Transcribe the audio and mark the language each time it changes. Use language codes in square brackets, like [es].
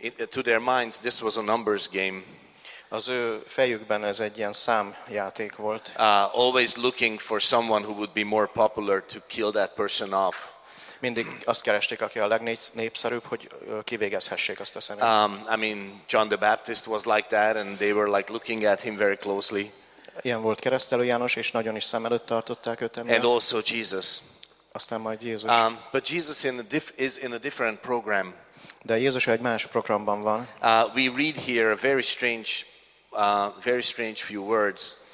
[en] To their minds, this was a numbers game. [hu] Az ő fejükben ez egy ilyen számjáték volt. [en] Always looking for someone who would be more popular to kill that person off. [hu] Mindig azt keresték, aki a legnépszerűbb, hogy kivégezhessék azt a személyt. [en] John the Baptist was like that, and they were like looking at him very closely. [hu] Ilyen volt keresztelő János, és nagyon is szem előtt tartották őt emiatt. [en] And also Jesus. [hu] Aztán majd Jézus. [en] But Jesus is in a different program. [hu] De Jézus egy más programban van. [en] We read here a very strange few words.